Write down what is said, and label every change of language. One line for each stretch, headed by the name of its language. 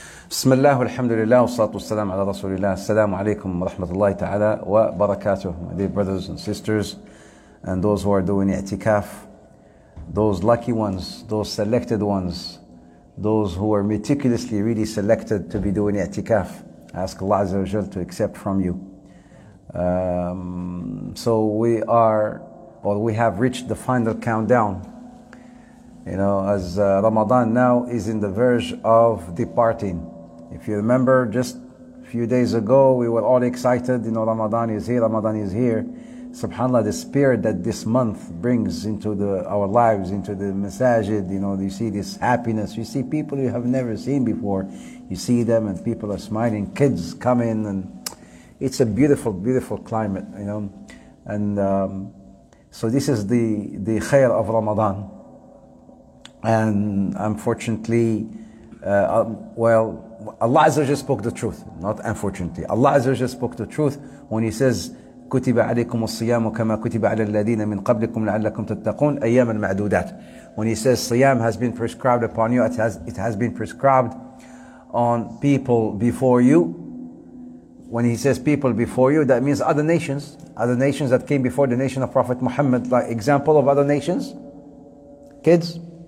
Arabic: بسم الله والحمد لله والصلاة والسلام على رسول الله السلام عليكم ورحمة الله تعالى وبركاته.
English: My dear brothers and sisters, and those who are doing i'tikaf, those lucky ones, those selected ones, those who are meticulously really selected to be doing i'tikaf, I ask Allah Azza wa Jal to accept from you. So we are, or we have reached the final countdown. You know, as Ramadan now is in the verge of departing. If you remember, just a few days ago, we were all excited. You know, Ramadan is here, Ramadan is here. SubhanAllah, the spirit that this month brings into our lives, into the masajid, you know, you see this happiness. You see people you have never seen before. You see them and people are smiling. Kids come in and it's a beautiful, beautiful climate, you know. And so this is the khair of Ramadan. And unfortunately, Allah Azza just spoke the truth, not unfortunately. Allah Azza just spoke the truth when he says,
Arabic: كُتِبَ عَلَيْكُمُ الصِّيَامُ كَمَا كُتِبَ عَلَى الَّذِينَ مِنْ قَبْلِكُمْ لَعَلَّكُمْ تَتَّقُونَ أَيَّامًا مَعْدُودَاتٍ.
English: When he says, Siyam has been prescribed upon you, it has been prescribed on people before you. When he says people before you, that means other nations that came before the nation of Prophet Muhammad, like example of other nations, kids.